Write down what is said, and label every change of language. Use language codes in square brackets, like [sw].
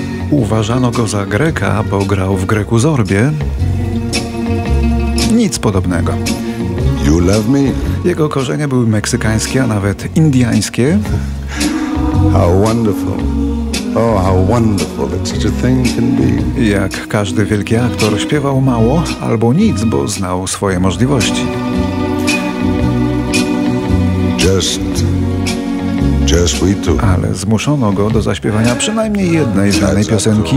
[pl] Uważano go za Greka, bo grał w Greku Zorbie. Nic podobnego. [en] You love me? [pl] Jego korzenie były meksykańskie, a nawet indiańskie. [en] How wonderful. Oh, how wonderful that such a thing can be. [pl] Jak każdy wielki aktor, śpiewał mało albo nic, bo znał swoje możliwości. [en] Just we two. [pl] Ale zmuszono go do zaśpiewania przynajmniej jednej znanej piosenki.